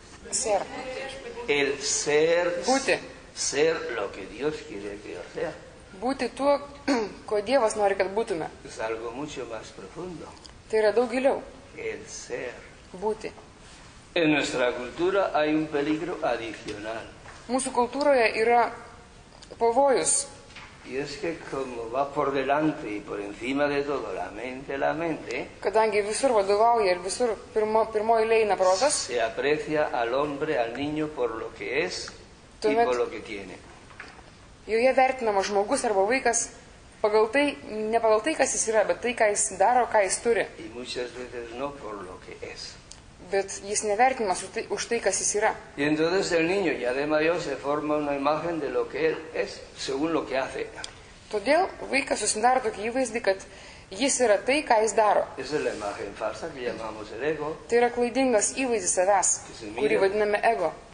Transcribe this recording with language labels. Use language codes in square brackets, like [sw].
[es] Ser. El ser. [lt] Būti. [es] Ser lo que Dios quiere que yo sea. [lt] Būti tuo, ko Dievas nori, kad būtume. [es] Es algo mucho más profundo. [lt] Tai yra daug giliau. [es] El ser. [lt] Būti. [es] En nuestra cultura hay un peligro adicional. [lt] Mūsų kultūroje yra pavojus. [es] Y es que como va por delante y por encima de todo la mente, la mente. [lt] Kadangi visur vadovauja ir visur pirmoji leina protas. [es] Se aprecia al hombre, al niño por lo que es [lt] tuomet... [es] y por lo que tiene. [lt] Joje vertinama žmogus arba vaikas pagal tai, ne pagal tai, kas jis yra, bet tai, ką jis daro, ką jis turi. [es] Y muchas veces no por lo que es. [lt] Bet jis nevertinamas už tai, kas jis yra. [es] Y entonces el niño ya de mayor se forma una imagen de lo que él es, según lo que hace. [lt] Todėl vaikas susidaro tokį įvaizdį, kad jis yra tai, ką jis daro. [es] Es la imagen falsa que llamamos el ego. [lt] Tai yra klaidingas įvaizdis savęs, kurį vadiname ego.